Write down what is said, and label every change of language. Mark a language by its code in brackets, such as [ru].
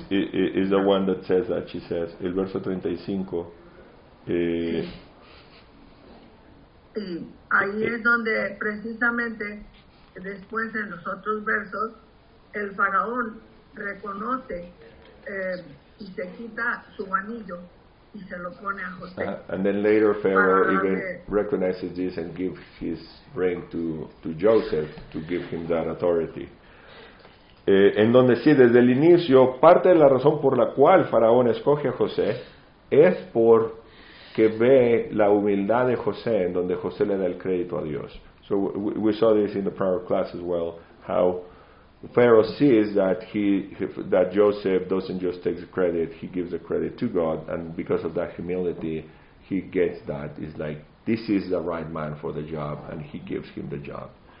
[en] Verse 35 is the one that says that, she says. [es] El verso 35. Sí, ahí es donde precisamente, después en los otros versos, el faraón reconoce y se quita su anillo y se lo pone a José. [en] And then later Pharaoh even recognizes this and gives his ring to Joseph to give him that authority. [es] En donde sí, desde el inicio, parte de la razón por la cual faraón escoge a José es porque ve la humildad de José, en donde José le da el crédito a Dios. [en] So we saw this in the prior class as well, how Pharaoh sees that that Joseph doesn't just take the credit, he gives the credit to God, and because of that humility, he gets that. It's like, this is the right man for the job, and he gives him the job.